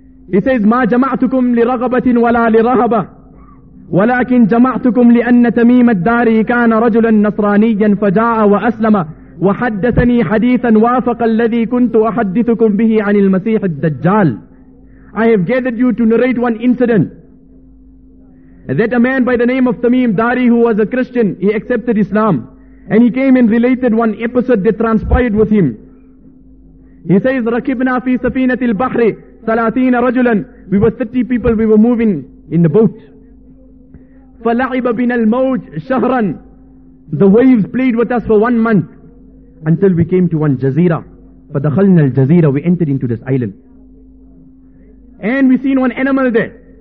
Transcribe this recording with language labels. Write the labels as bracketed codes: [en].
[en] He says, [ar] ma jama'atukum li raghabatin wala li rahaba, walakin jama'atukum li anna tamim ad-dari kana rajulan nasraniyan faja'a wa aslama وحدثني حديثا وافق الذي كنت أحدثكم به عن المسيح الدجال. [en] I have gathered you to narrate one incident that a man by the name of Tamim Dari, who was a Christian, he accepted Islam and he came and related one episode that transpired with him. He says, [ar] ركبنا في سفينة البحر 30 رجلا. [en] We were 30 people, we were moving in the boat. [ar] فلعب بنا الموج شهرا. [en] The waves played with us for 1 month until we came to one jazeera. [ar] فَدَخَلْنَا الْجَزِيرَةِ. [en] We entered into this island. And we seen one animal there.